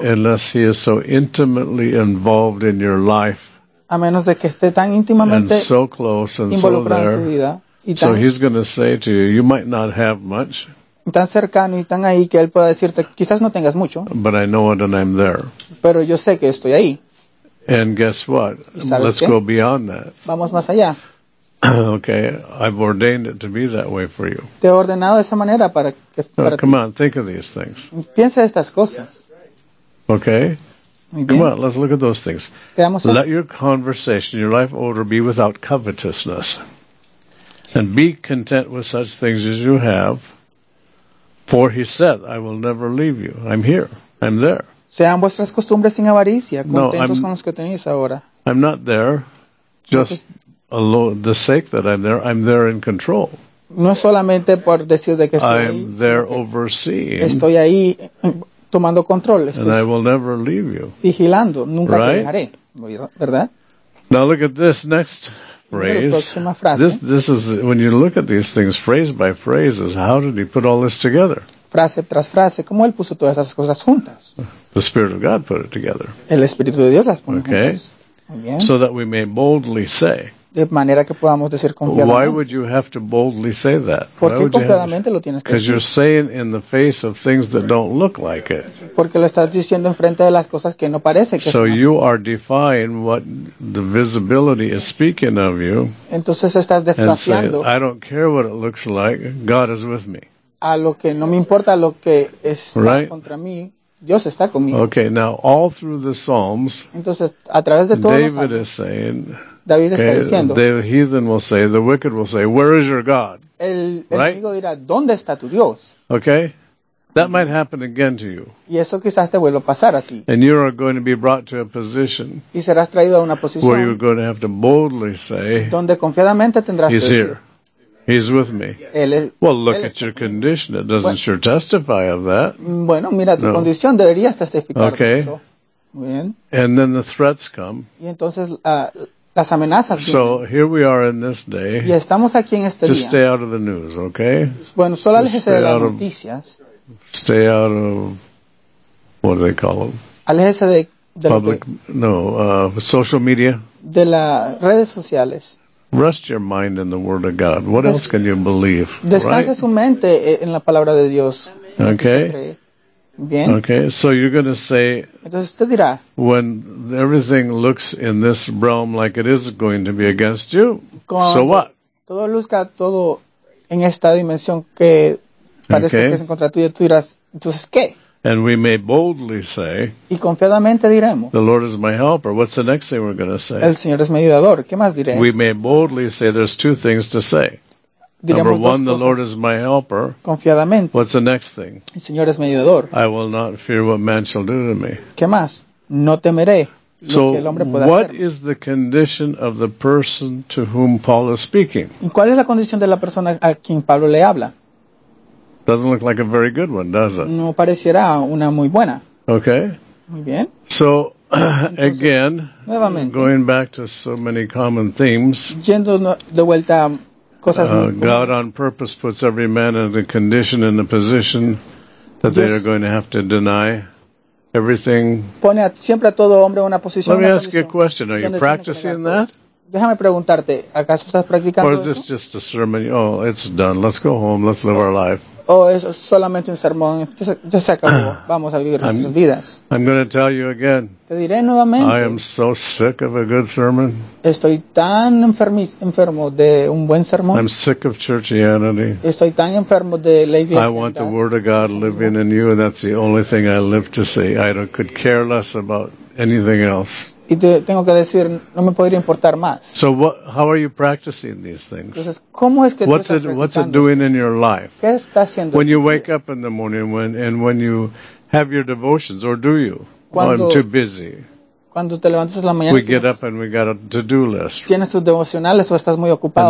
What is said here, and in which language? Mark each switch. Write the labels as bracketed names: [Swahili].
[English] Unless he is so intimately involved in your life. [Spanish] A menos de que esté tan íntimamente [English] and so close and [Spanish] involucrado [English] so there, [Spanish] en tu vida. Y tan, [English] so he's going to say to you, you might not have much. [Spanish] Tan cercano y tan ahí que él pueda decirte, quizás no tengas mucho. [English] But I know it and I'm there. [Spanish] Pero yo sé que estoy ahí. [English] And guess what? Let's [Spanish] qué? [English] Go beyond that. [Spanish] Vamos más allá. [English] Okay, I've ordained it to be that way for you. [Spanish] Te he ordenado de esa manera para que para [English] come [Spanish] ti. [English] On, think of these things. [Spanish] Piensa estas cosas. [English] Okay? Come on, let's look at those things. [Spanish] Veamos [English] let [Spanish] eso. [English] Your conversation, your life order be without covetousness. And be content with such things as you have. For he said, I will never leave you. I'm here. I'm there. [Spanish] Sean vuestras costumbres sin avaricia. Contentos con los que tenéis ahora. [English] I'm not there. Just... Alone, the sake that I'm there in control. [Spanish] No solamente por decir de que estoy [English] I'm [Spanish] ahí, [English] there overseeing. [Spanish] Estoy ahí tomando control. Estoy [English] and I will never leave you. [Spanish] Vigilando, nunca [English] right? [Spanish] te dejaré, ¿verdad? [English] Now look at this next phrase. [Spanish] Próxima frase. [English] This is when you look at these things phrase by phrase. Is how did he put all this together? [Spanish] Frase tras frase, ¿cómo él puso todas esas cosas juntas? [English] The Spirit of God put it together. [Spanish] El Espíritu de Dios las pone [English] okay. [Spanish] juntas. Bien. [English] So that we may boldly say. [Spanish] De manera que podamos decir confiadamente. [English] Why would you have to boldly say that? [Spanish] ¿Por qué confiadamente lo tienes que decir? [English] Because you're saying in the face of things that don't look like it. [Spanish] Porque lo estás diciendo en frente de las cosas que no parece que [English] so you are defying what the visibility is speaking of you. [Spanish] Entonces estás desafiando. [English] And saying, I don't care what it looks like, God is with me. [Spanish] A lo que no me importa lo que está [English] right? [Spanish] contra mí. Dios está conmigo. [English] Okay, now all through the Psalms, [Spanish] entonces, a través de todos [English] David [Spanish] los años, [English] is saying, [Spanish] David está diciendo, [English] the heathen will say, the wicked will say, where is your God? [Spanish] El enemigo [English] right? [Spanish] dirá, ¿dónde está tu Dios? [English] Okay, That might happen again to you. [Spanish] Y eso quizás te vuelva a pasar a ti. [English] And you are going to be brought to a position. [Spanish] Y serás traído a una posición. [English] Where you're going to have to boldly say. [Spanish] Donde confiadamente tendrás que decir. [English] He's with me. Well, look at your condition. It doesn't sure testify of that. [Spanish] Bueno, mira tu condición. Deberías testificar. [English] Okay. And then the threats come. [Spanish] Y entonces las amenazas. [English] So here we are in this day. [Spanish] Y estamos aquí en este [English] to To stay out of the news, okay? [Spanish] Bueno, solo aléjese de las noticias. [English] Stay out of, what do they call them? [Spanish] Aléjese de [English] public, social media. [Spanish] De las redes sociales. [English] Rest your mind in the Word of God. What else can you believe? [Spanish] Descanse su mente en la palabra de Dios. [English] Okay. [Spanish] Bien. [English] Okay. So you're going to say. [Spanish] Entonces usted dirá. [English] When everything looks in this realm like it is going to be against you. So what? [Spanish] Todo luzca todo en esta dimensión que parece que es en contra tuyo. Tú dirás. Entonces qué? [English] And we may boldly say, [Spanish] y confiadamente diremos, [English] the Lord is my helper. What's the next thing we're going to say? [Spanish] El Señor es mi ayudador. ¿Qué más diremos? [English] We may boldly say, there's two things to say. [Spanish] Diremos [English] number one, [Spanish] cosas. [English] The Lord is my helper. [Spanish] Confiadamente. [English] What's the next thing? [Spanish] El Señor es mi ayudador. [English] I will not fear what man shall do to me. [Spanish] ¿Qué más? No temeré lo [English] so [Spanish] que el hombre pueda [English] what [Spanish] hacer. [English] Is the condition of the person to whom Paul is speaking? [Spanish] ¿Y cuál es la condición de la persona a quien Pablo le habla? [English] Doesn't look like a very good one, does it? [Spanish] No pareciera una muy buena. [English] Okay. [Spanish] Muy bien. [English] So, [Spanish] entonces, [English] again, [Spanish] nuevamente, [English] going back to so many common themes, [Spanish] yendo de vuelta a cosas muy comunes, [English] God on purpose puts every man in a condition, in a position that they are going to have to deny everything. [Spanish] Pone siempre a todo hombre en una posición. [English] Let me ask you a question. Are you practicing that? [Spanish] Déjame preguntarte, ¿acaso estás practicando eso? [English] Or is this just a sermon? Oh, it's done. Let's go home. Let's live our life. [Spanish] Oh, es solamente un sermón. Ya se acabó. Vamos a vivir nuestras vidas. [English] I'm going to tell you again. [Spanish] Te diré nuevamente. [English] I am so sick of a good sermon. [Spanish] Estoy tan enfermo de un buen sermón. [English] I'm sick of churchianity. [Spanish] Estoy tan enfermo de la iglesia. [English] I want the Word of God living in you, and that's the only thing I live to see. I could care less about anything else. [Spanish] Y te tengo que decir, no me podría importar más. [English] So what, how are you practicing these things? [Spanish] Entonces, ¿cómo es que [English] what's [Spanish] tú estás practicando? [English] What's it doing in your life? [Spanish] ¿Qué está haciendo? [English] When you wake up in the morning when you have your devotions, or do you? [Spanish] Cuando, [English] oh, I'm too busy. [Spanish] Cuando te levantas la mañana. [English] We get up and we got a to-do list. [Spanish] ¿Tienes tus devocionales o estás muy ocupado?